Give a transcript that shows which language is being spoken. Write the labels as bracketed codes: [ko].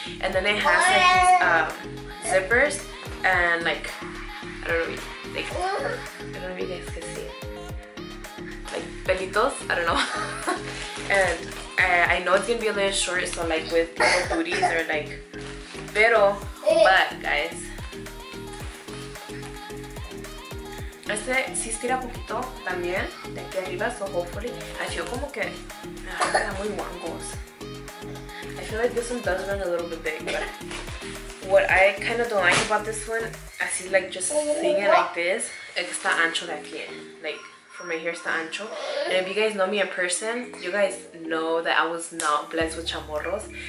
[en] And then it has like these zippers and like, I don't know if you guys can see. Like pelitos, I don't know. And I know it's gonna be a little short, so like with little booties or like, pero, but guys. [es] Este sí estira poquito también de aquí arriba, [en] so hopefully. I feel [es] como que está muy wangos. [en] I feel like this one does run a little bit big, but what I kind of don't like about this one, así like just seeing it like this, [es] está ancho de aquí. [en] Like, for my hair, [es] está ancho. [en] And if you guys know me in person, you guys know that I was not blessed with chamorros.